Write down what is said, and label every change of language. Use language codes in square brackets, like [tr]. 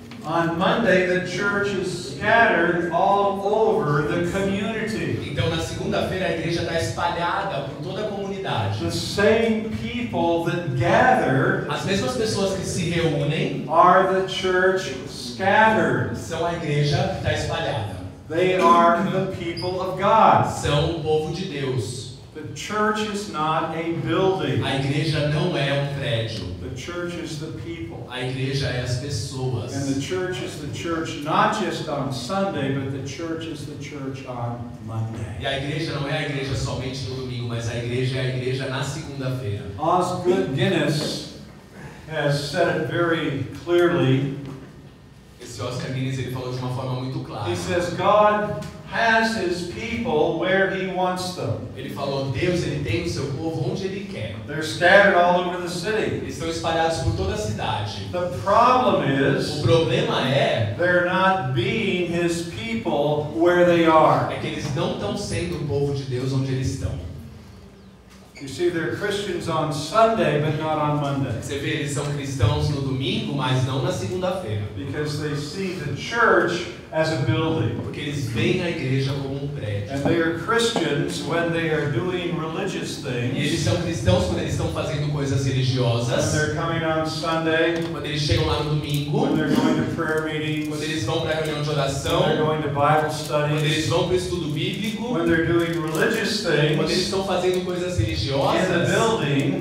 [en] On Monday, the church is scattered all over the community. [pt] Então na segunda-feira a igreja está espalhada por toda a comunidade. [en] The same people that gather. [pt] As mesmas pessoas que se reúnem. [en] Are the church scattered? [pt] São a igreja que está espalhada. [en] They are the people of God. [pt] São o povo de Deus. [en] The church is not a building. [pt] A igreja não é um prédio. [en] The church is the people. [pt] A igreja é as pessoas. [en] And the church is the church not just on Sunday, but the church is the church on Monday. [pt] E a igreja não é a igreja somente no domingo, mas a igreja é a igreja na segunda-feira. [en] Osgood Guinness has said it very clearly. [pt] Esse Oscar Guinness ele falou de uma forma muito clara. [en] He says God has his people where he wants them. [pt] Ele falou, Deus ele tem o seu povo onde ele quer. [en] They're scattered all over the city. [pt] Eles estão espalhados por toda a cidade. [en] The problem is, [pt] o problema é, [en] they're not being his people where they are. [pt] É que eles não estão sendo o povo de Deus onde eles estão. [en] You see, they're Christians on Sunday, but not on Monday. [pt] Você vê, eles são cristãos no domingo, mas não na segunda-feira. [en] Because they see the church as a building. [pt] Porque eles veem a igreja como prédio. [en] And they are Christians when they are doing religious things. [pt] E eles são cristãos quando eles estão fazendo coisas religiosas. [en] When they're coming on Sunday. [pt] Quando eles chegam lá no domingo. [en] When they're going to prayer meetings. [pt] Quando eles vão para a reunião de oração. [en] When they're going to Bible studies. [pt] Quando eles vão para o estudo bíblico. [en] When they're doing religious things. [pt] Quando eles estão fazendo coisas religiosas. [en] In the building.